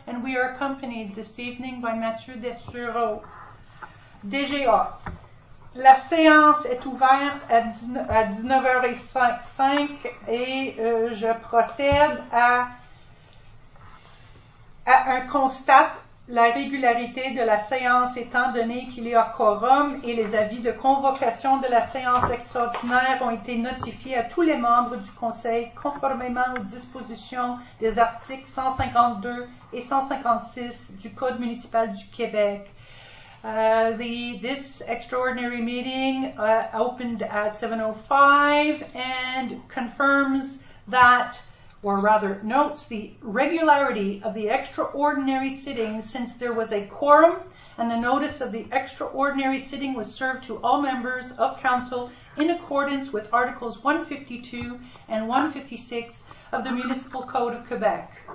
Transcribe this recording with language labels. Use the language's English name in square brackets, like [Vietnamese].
[English] And we are accompanied this evening by Mathieu Dessureau. DGA. [French] La séance est ouverte à 19h05 et je procède à un constat. La régularité de la séance étant donné qu'il y a quorum et les avis de convocation de la séance extraordinaire ont été notifiés à tous les membres du Conseil conformément aux dispositions des articles 152 et 156 du Code municipal du Québec. [English] This extraordinary meeting opened at 7:05 and confirms that, or rather notes the regularity of the extraordinary sitting since there was a quorum and the notice of the extraordinary sitting was served to all members of council in accordance with Articles 152 and 156 of the Municipal Code of Quebec.